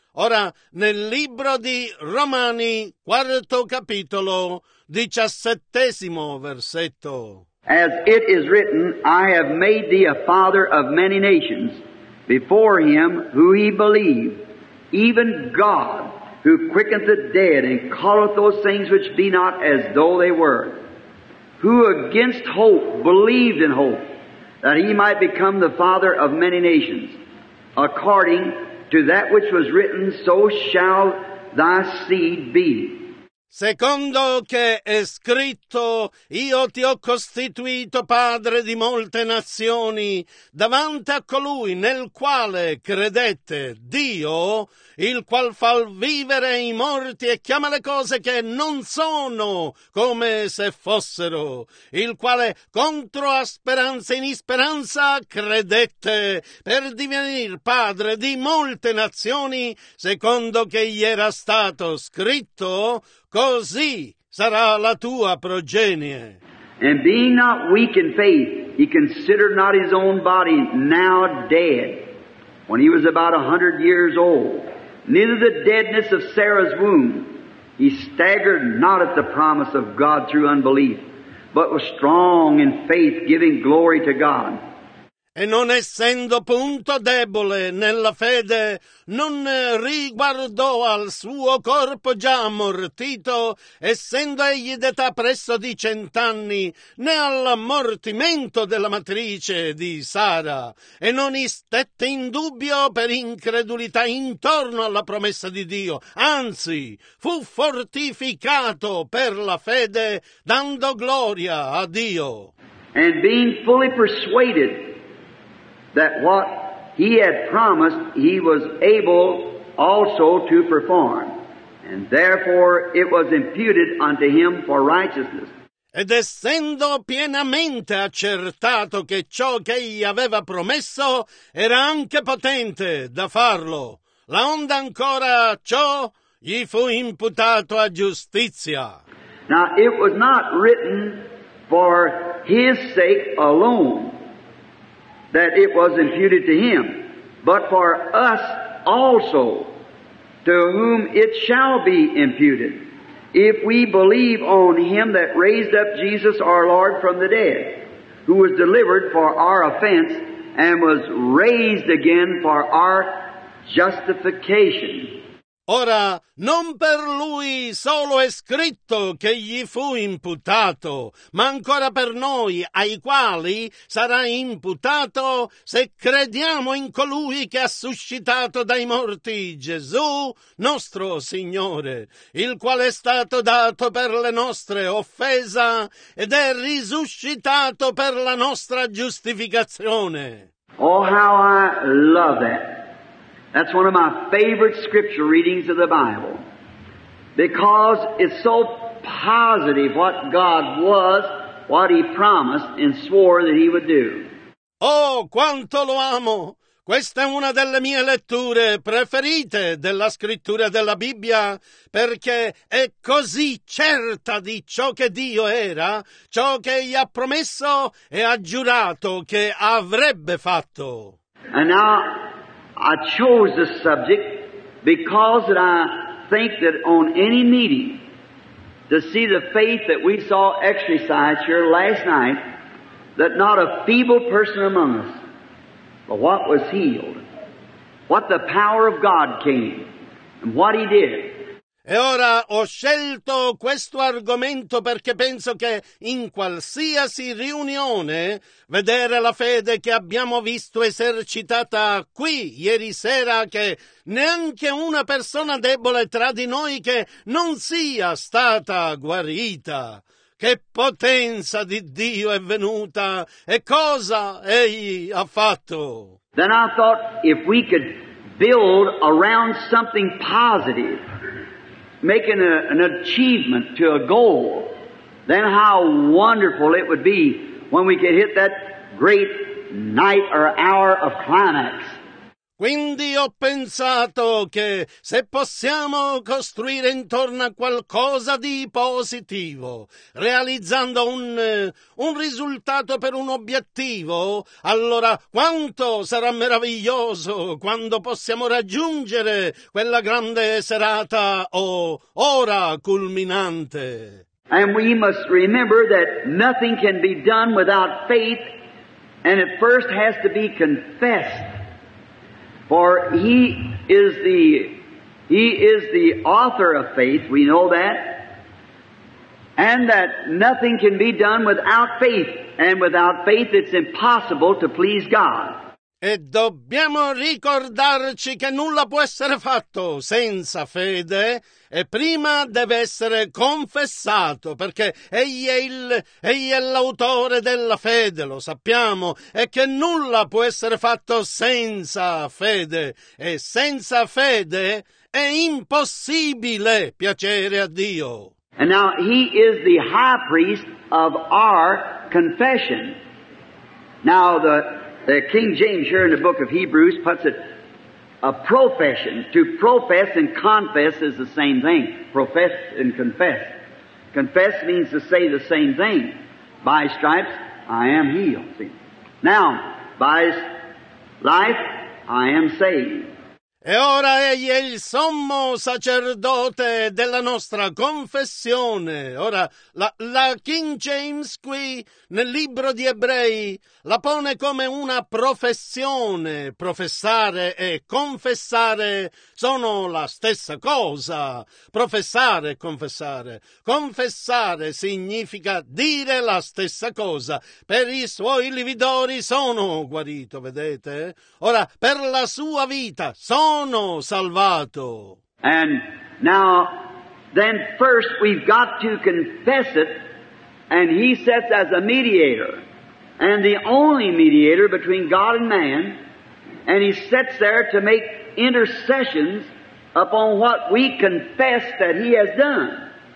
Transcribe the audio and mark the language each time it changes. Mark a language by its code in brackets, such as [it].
[it] Ora, nel libro di Romani, 4° capitolo, 17° versetto. [en] As it is written, I have made thee a father of many nations, before him who he believed, even God, who quickeneth the dead, and calleth those things which be not as though they were, who against hope believed in hope, that he might become the father of many nations. According to that which was written, so shall thy seed be. [it] Secondo che è scritto, io ti ho costituito padre di molte nazioni, davanti a colui nel quale credette, Dio, il qual fa vivere i morti e chiama le cose che non sono come se fossero, il quale contro a speranza in speranza credette, per divenire padre di molte nazioni, secondo che gli era stato scritto, così sarà la tua progenie. [en] And being not weak in faith, he considered not his own body now dead, when he was about 100 years old, neither the deadness of Sarah's womb. He staggered not at the promise of God through unbelief, but was strong in faith, giving glory to God. [it] E non essendo punto debole nella fede, non riguardò al suo corpo già ammortito, essendo egli d'età presso di 100 anni, né all'ammortimento della matrice di Sara, e non istette in dubbio per incredulità intorno alla promessa di Dio, anzi fu fortificato per la fede, dando gloria a Dio. [en] And being fully persuaded that what he had promised, he was able also to perform. And therefore it was imputed unto him for righteousness. [it] Ed essendo pienamente accertato che ciò che gli aveva promesso era anche potente da farlo, laonde ancora ciò gli fu imputato a giustizia. [en] Now it was not written for his sake alone that it was imputed to him, but for us also, to whom it shall be imputed, if we believe on him that raised up Jesus our Lord from the dead, who was delivered for our offense and was raised again for our justification. [it] Ora, non per lui solo è scritto che gli fu imputato, ma ancora per noi, ai quali sarà imputato se crediamo in colui che ha suscitato dai morti Gesù, nostro Signore, il quale è stato dato per le nostre offese ed è risuscitato per la nostra giustificazione. [en] Oh, how I love it. That's one of my favorite scripture readings of the Bible, because it's so positive what God was, what He promised and swore that He would do. [it] Oh, quanto lo amo! Questa è una delle mie letture preferite della scrittura della Bibbia, perché è così certa di ciò che Dio era, ciò che gli ha promesso e ha giurato che avrebbe fatto. [en] And now I chose this subject because that I think that on any meeting to see the faith that we saw exercised here last night, that not a feeble person among us, but what was healed, what the power of God came, and what he did. [it] E ora ho scelto questo argomento perché penso che in qualsiasi riunione vedere la fede che abbiamo visto esercitata qui ieri sera, che neanche una persona debole tra di noi che non sia stata guarita. Che potenza di Dio è venuta e cosa egli ha fatto. [en] Then I thought if we could build around something positive, making an achievement to a goal, then how wonderful it would be when we could hit that great night or hour of climax. [it] Quindi ho pensato che se possiamo costruire intorno a qualcosa di positivo, realizzando un risultato per un obiettivo, allora quanto sarà meraviglioso quando possiamo raggiungere quella grande serata o ora culminante. [en] And we must remember that nothing can be done without faith, and it first has to be confessed. For he is the author of faith, we know that, and that nothing can be done without faith, and without faith it's impossible to please God. [it] E dobbiamo ricordarci che nulla può essere fatto senza fede, e prima deve essere confessato, perché egli è l'autore della fede, lo sappiamo, e che nulla può essere fatto senza fede, e senza fede è impossibile piacere a Dio. [en] And now he is the high priest of our confession. Now the King James here in the book of Hebrews puts it, a profession. To profess and confess is the same thing. Profess and confess. Confess means to say the same thing. By stripes, I am healed. See? Now, by life, I am saved. [it] E ora egli è il sommo sacerdote della nostra confessione. Ora, la King James qui, nel libro di Ebrei, la pone come una professione. Professare e confessare sono la stessa cosa. Professare e confessare. Confessare significa dire la stessa cosa. Per i suoi lividori sono guarito, vedete? Ora, per la sua vita sono salvato. [en] And now, then first we've got to confess it, and he sits as a mediator, and the only mediator between God and man, and he sits there to make intercessions upon what we confess that he has done.